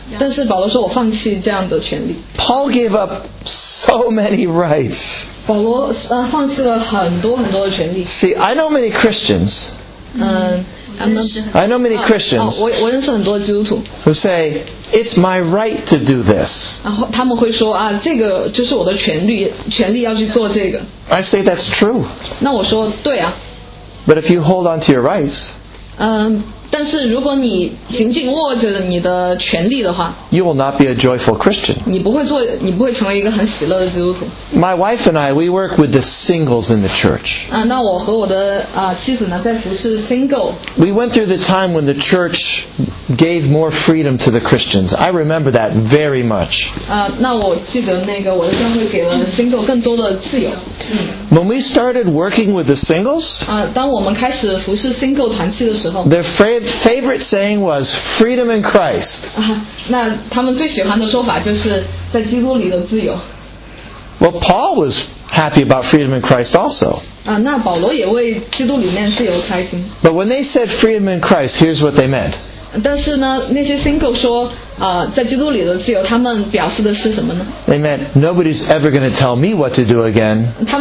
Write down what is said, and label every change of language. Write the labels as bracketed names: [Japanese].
[Chinese] 但是保罗说我放弃这样的权利。 [English] Paul gave up so many rights. [Chinese] 保罗放弃了很多很多的权利。 [English] See, I know many Christians. I know many Christians. [Chinese] 我认识很多基督徒。 [English] Who say, it's my right to do this. [Chinese] 然后他们会说，这个就是我的权利，权利要去做这个。 [English] I say that's true. [Chinese] 那我说对啊。 [English] But if you hold on to your rights, [Chinese] 但是如果你紧紧握着你的权利的话, [English] you will not be a joyful Christian. [Chinese] 你不会成为一个很喜乐的基督徒。 [English] My wife and I, we work with the singles in the church. [Chinese] 那我和我的妻子呢，在服侍single。 [English] We went through the time when the church gave more freedom to the Christians. I remember that very much. [Chinese] 那我记得那个我的教会给了single更多的自由。 [English] When we started working with the singles, [Chinese] 当我们开始服侍single团契的时候, [English] their favorite saying was, freedom in Christ. [Chinese] 那他们最喜欢的说法就是在基督里的自由。 [English] Well, Paul was happy about freedom in Christ also. [Chinese] 那保罗也为基督里面自由开心。 [English] But when they said freedom in Christ, here's what they meant. [Chinese] 但是呢，那些single说, 在基督里的自由, 他们表示的是什么呢? [English] They meant, nobody's ever going to tell me what to do again.